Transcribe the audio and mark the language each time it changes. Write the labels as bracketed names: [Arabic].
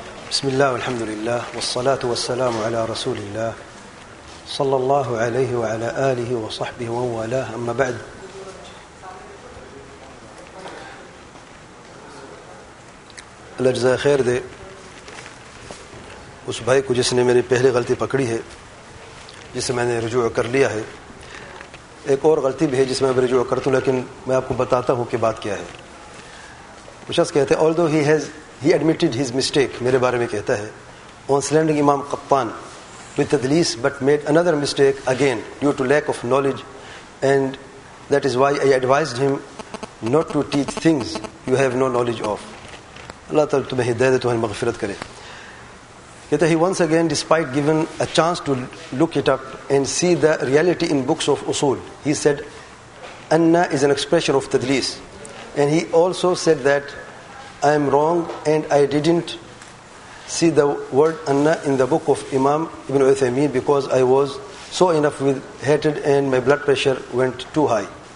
[Arabic] بسم الله والحمد لله والصلاة والسلام على رسول الله صلى الله عليه وعلى آله وصحبه وموالاه. أما بعد، [Urdu] اللہ جزائے خیر دے اس بھائی کو جس نے میری پہلی غلطی پکڑی ہے، جسے میں نے رجوع کر لیا ہے. ایک اور غلطی بھی ہے جس میں میں رجوع کرتا ہوں، لیکن میں آپ کو بتاتا ہوں کہ بات کیا ہے. وہ شخص کہتے ہیں [English] although he admitted his mistake, [Urdu] میرے بارے میں کہتا ہے [English] on slandering Imam Qattan with تدلیس but made another mistake again due to lack of knowledge and that is why I advised him not to teach things you have no knowledge of. [Urdu] اللہ تعالیٰ تمہیں ہدایت دے، تمہیں مغفرت کرے. کہتا ہے [English] he once again despite given a chance to look it up and see the reality in books of اصول he said anna is an expression of تدلیس and he also said that I am wrong and I didn't see the word anna in the book of Imam Ibn Uthaymeen because I was so enough with hated and my blood pressure went too high.